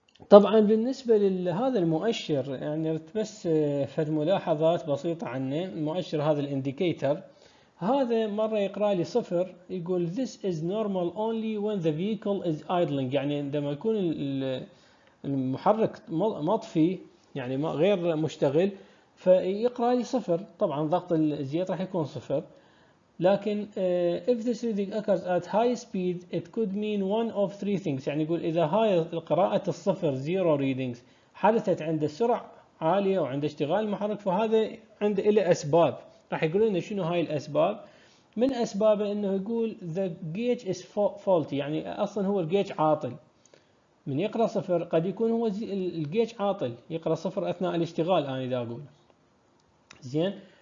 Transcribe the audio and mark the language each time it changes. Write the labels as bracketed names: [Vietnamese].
[Arabic] طبعا بالنسبه لهذا المؤشر، يعني بس فد ملاحظات بسيطه عنه، المؤشر هذا الانديكيتر هذا مره يقرا لي صفر، يقول [English] this is normal only when the vehicle is idling، [Arabic] يعني عندما يكون المحرك مطفي يعني غير مشتغل فيقرا لي صفر، طبعا ضغط الزيت راح يكون صفر. لكن [English] if this reading occurs at high speed it could mean one of three things، [Arabic] يعني يقول إذا هاي القراءة الصفر [English] zero readings [Arabic] حدثت عند سرعة عاليه وعنده اشتغال المحرك، فهذا عنده له اسباب. راح يقول لنا شنو هاي الاسباب. من اسبابه انه يقول [English] the gauge is faulty، [Arabic] يعني اصلا هو الجيج عاطل. من يقرا صفر قد يكون هو الجيج عاطل، يقرا صفر اثناء الاشتغال انا اذا اقول زين.